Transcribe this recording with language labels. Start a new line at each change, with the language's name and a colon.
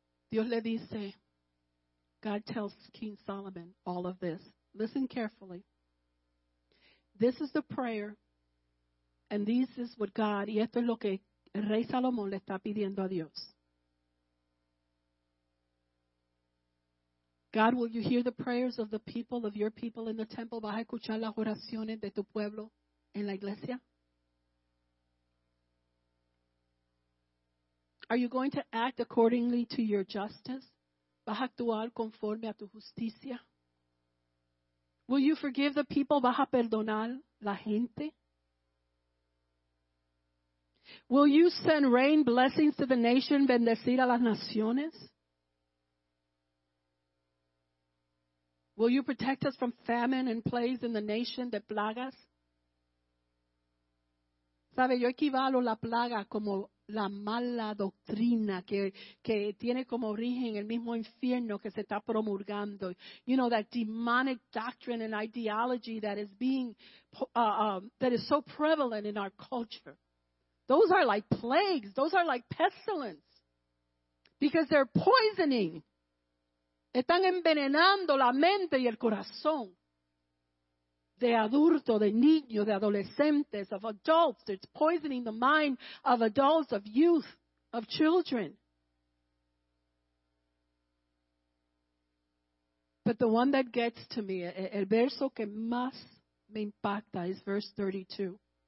Spanish: Dios le dice,
English: God tells King Solomon all of this. Listen carefully. This is the prayer. And this is what God,
Spanish: y esto es lo que el rey Salomón le está pidiendo a Dios.
English: God, will you hear the prayers of the people, of your people in the temple?
Spanish: ¿Vas a escuchar las oraciones de tu pueblo en la iglesia?
English: Are you going to act accordingly to your justice?
Spanish: ¿Vas a actuar conforme a tu justicia?
English: Will you forgive the people?
Spanish: ¿Vas a perdonar la gente?
English: Will you send rain blessings to the nation,
Spanish: bendecir a las naciones?
English: Will you protect us from famine and plagues in the nation,
Spanish: de plagas? ¿Sabe? Yo equivalo la plaga como la mala doctrina que tiene como origen el mismo infierno que se está promulgando.
English: You know, that demonic doctrine and ideology that is being, that is so prevalent in our culture. Those are like plagues. Those are like pestilence. Because they're poisoning.
Spanish: Están envenenando la mente y el corazón de adulto, de niño, de adolescentes,
English: of adults. It's poisoning the mind of adults, of youth, of children. But the one that gets to me,
Spanish: el verso que más me impacta
English: is verse 32.